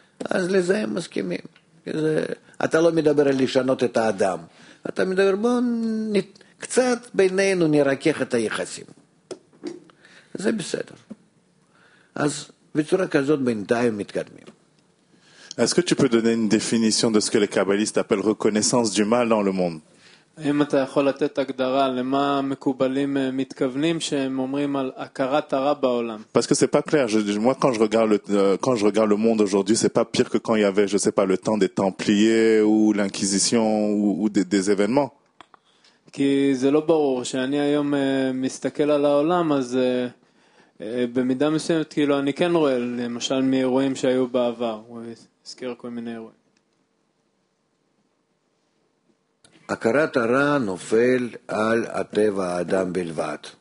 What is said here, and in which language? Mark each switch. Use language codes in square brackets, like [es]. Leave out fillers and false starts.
[he] אז לזה הם מסכימים. זה, אתה לא מדבר על לשנות את האדם. אתה מדבר, בוא קצת בינינו נרקח את היחסים. זה בסדר. אז בצורה כזאת בינתיים מתקדמים. [fr] Est-ce que tu peux donner une définition de ce que les kabbalistes appellent reconnaissance du mal dans le monde? [he] אם אתה יכול לתת הגדרה למה מקובלים מתכוונים שהם אומרים על הכרת הרע בעולם. [fr] Parce que c'est pas clair. Moi quand je regarde le monde aujourd'hui, c'est pas pire que quand il y avait, je sais pas, le temps des templiers ou l'inquisition ou des événements. [he] כי זה לא ברור שאני היום מסתכל על העולם, אז במידה מסוימת כאילו אני כן רואה למשל מאירועים שהיו בעבר, הוא הזכיר כל מיני אירועים. הכרת הרע נופל על הטבע האדם בלבד.